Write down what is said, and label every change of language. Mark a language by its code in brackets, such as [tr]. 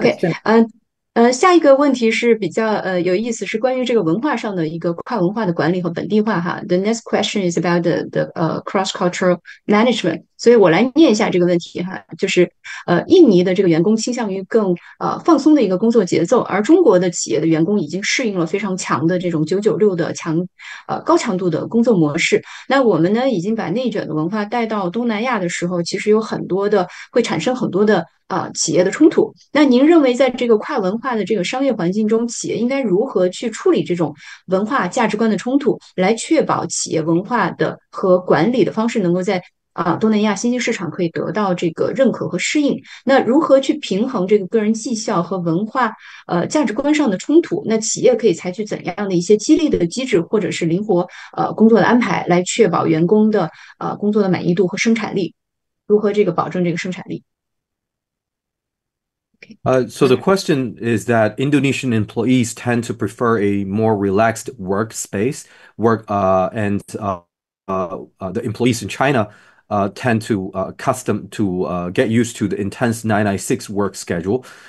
[zh] Okay, 下一个问题是比较有意思，是关于这个文化上的一个跨文化的管理和本地化哈。 [en] The next question is about the cross-cultural management. [zh] 所以我来念一下这个问题哈，就是印尼的这个员工倾向于更放松的一个工作节奏，而中国的企业的员工已经适应了非常强的这种996的高强度的工作模式。那我们呢已经把内卷的文化带到东南亚的时候，其实有很多的会产生很多的企业的冲突。那您认为在这个跨文化的这个商业环境中，企业应该如何去处理这种文化价值观的冲突，来确保企业文化的和管理的方式能够在东南亚新兴市场可以得到这个认可和适应？那如何去平衡这个个人绩效和文化价值观上的冲突？那企业可以采取怎样的一些激励的机制，或者是灵活工作的安排，来确保员工的工作的满意度和生产力？如何这个保证这个生产力？ [en] So the question is that Indonesian employees tend to prefer a more relaxed workspace, the employees in China tend to custom to get used to the intense 996 work schedule.